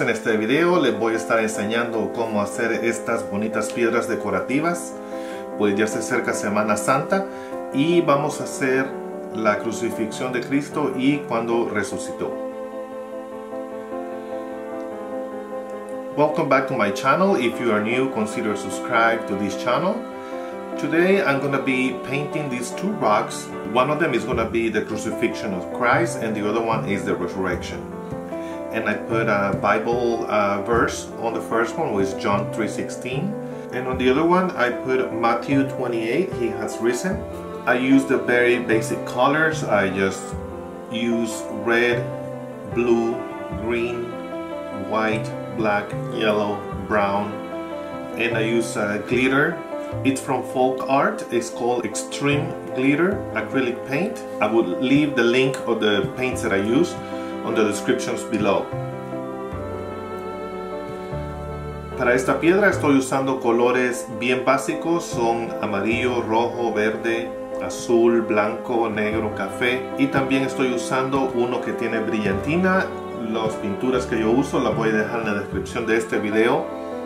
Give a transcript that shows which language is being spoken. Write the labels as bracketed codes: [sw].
[es] En este video les voy a estar enseñando cómo hacer estas bonitas piedras decorativas, pues ya se acerca Semana Santa y vamos a hacer la crucifixión de Cristo y cuando resucitó. [en] Welcome back to my channel. If you are new, consider subscribe to this channel. Today I'm going to be painting these two rocks. One of them is going to be the crucifixion of Christ and the other one is the resurrection. And I put a Bible verse on the first one, which is John 3:16. And on the other one, I put Matthew 28, He has risen. I use the very basic colors. I just use red, blue, green, white, black, yellow, brown. And I use glitter. It's from folk art. It's called extreme glitter acrylic paint. I will leave the link of the paints that I use on the descriptions below. [es] Para esta piedra estoy usando colores bien básicos, son amarillo, rojo, verde, azul, blanco, negro, café, y también estoy usando uno que tiene brillantina. Las pinturas que yo uso las voy a dejar en la descripción de este video.